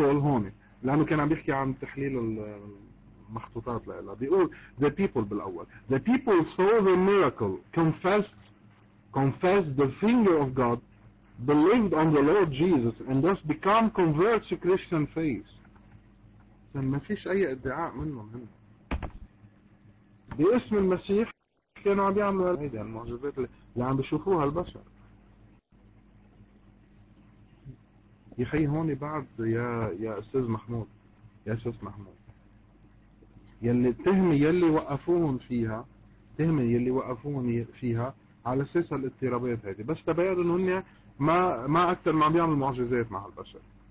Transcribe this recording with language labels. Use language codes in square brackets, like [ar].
[ar] هون لانه كان عم بيحكي عن تحليل المخطوطات لها، بيقول [en] the people [ar] بالاول. [en] The people saw the miracle, confessed the finger of God, believed on the Lord Jesus, and thus become converts to Christian faith. [ar] ما فيش اي ادعاء منهم هنا باسم المسيح. كانوا عم يعملوا هيدا المعجزات اللي عم بيشوفوها البشر. يخي هون بعد يا استاذ محمود، يا استاذ محمود، يلي التهمه يلي وقفوهم فيها، التهمه يلي وقفوهم فيها على اساس الاضطرابات هذه، بس تبين انه هن ما اكثر ما عم بيعملوا معجزات مع البشر.